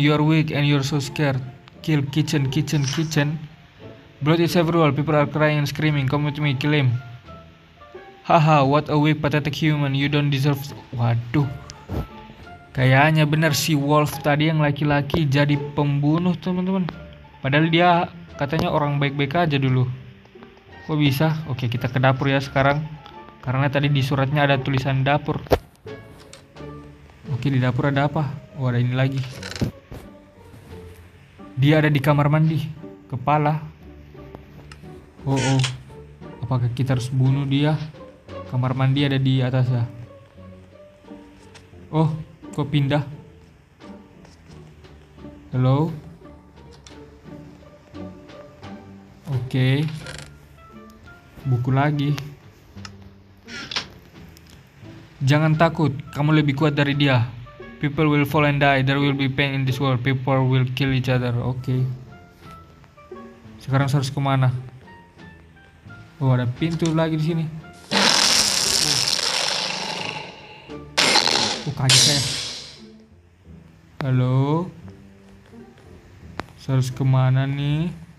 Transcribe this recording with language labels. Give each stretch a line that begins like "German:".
English: You are weak and you are so scared. Kill kitchen, kitchen, kitchen. Blood is everywhere. People are crying and screaming. Come with me, kill him. Haha, what a weak, pathetic human. You don't deserve... Waduh.
Indonesian: Kayaknya benar si Wolf tadi yang laki-laki jadi pembunuh, teman-teman. Padahal dia katanya orang baik-baik aja dulu. Kok bisa? Oke, kita ke dapur ya sekarang. Karena tadi di suratnya ada tulisan dapur. Oke, di dapur ada apa? Oh, ada ini lagi. Dia ada di kamar mandi. Kepala. Oh. Apakah kita harus bunuh dia? Kamar mandi ada di atas ya. Oh, kok pindah?
English: Hello?
Indonesian: Oke. Buku lagi. Jangan takut, kamu lebih kuat dari dia.
English: People will fall and die. There will be pain in this world. People will kill each other.
Indonesian: Oke. Sekarang saya harus kemana? Oh, ada pintu lagi di sini. Oh, kaget saya. Halo? Saya harus kemana nih?